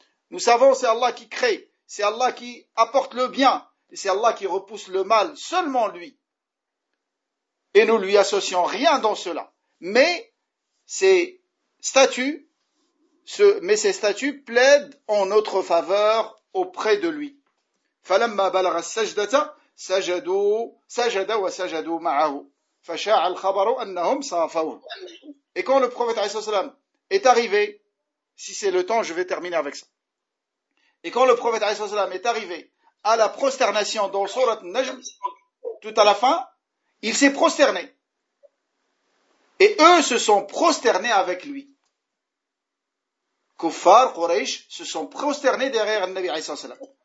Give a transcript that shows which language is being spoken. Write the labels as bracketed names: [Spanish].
[French] Nous savons, c'est Allah qui crée, c'est Allah qui apporte le bien, c'est Allah qui repousse le mal, seulement lui. Et nous lui associons rien dans cela. Mais ces statues plaident en notre faveur auprès de lui. [Arabic] فَلَمَّا بَلَغَ السَّجْدَةَ سجدوا وسجدوا معه فشاع الخبر انهم صافوه. [French] Et quand le prophète عليه الصلاة والسلام est arrivé, si c'est le temps je vais terminer avec ça. Et quand le prophète عليه الصلاة والسلام est arrivé à la prosternation dans sourate Najm, tout à la fin, il s'est prosterné. Et eux se sont prosternés avec lui. Kuffar Quraysh se sont prosternés derrière le Nabi عليه الصلاة والسلام.